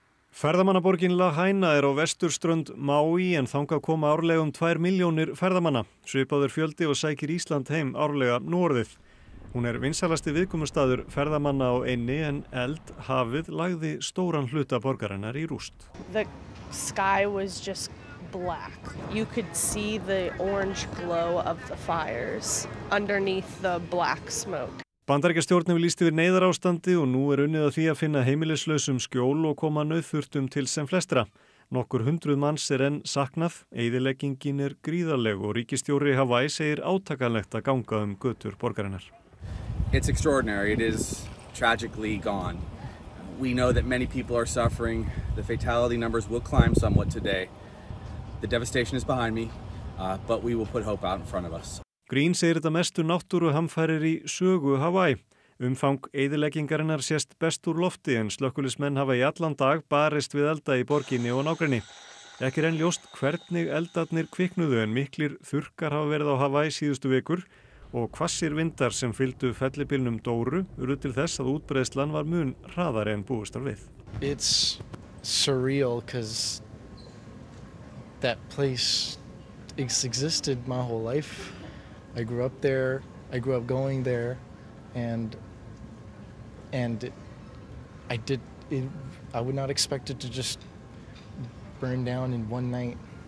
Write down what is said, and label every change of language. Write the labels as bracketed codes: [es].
[is] Ferðamannaborgin Lahaina á vesturströnd Maui en þangað koma árlega 2 milljónir ferðamanna. Svipaður fjöldi og sækir Ísland heim árlega norðið. Hún vinsælasti viðkomustaður ferðamanna á einni en eld hafið lagði stóran hluta borgarinnar í rúst. [en] The sky was just black. You could see the orange glow of the fires underneath the black smoke. [is] Bandaríkjastjórn hefur lýst yfir neyðarástandi og nú unnið að því að finna heimilislausum skjól og koma nauðþurftum til sem flestra. Nokkur hundruð manns enn saknað, eyðileggingin gríðarleg og ríkisstjóri Hawaii segir átakanlegt að ganga götur borgarinnar. [en] It's extraordinary. It is tragically gone. We know that many people are suffering. The fatality numbers will climb somewhat today. The devastation is behind me, but we will put hope out in front of us. [is] Green segir þetta mestu náttúruhamfarir í sögu Hawaii. Umfang eyðileggingarinnar sést best úr lofti en slökkviliðsmenn hafa í allan dag barist við elda í borginni og nágrenni. Ekki enn ljóst hvernig eldarnir kviknuðu en miklir þurrkar hafa verið á Hawaii síðustu vikur og hvassir vindar sem fylgdu fellibylnum Dóru eru til þess að útbreiðslan var mun hraðari en búist var við. [en] It's surreal because that place existed my whole life. I grew up there, I grew up going there and I did it, I would not expect it to just burn down in one night.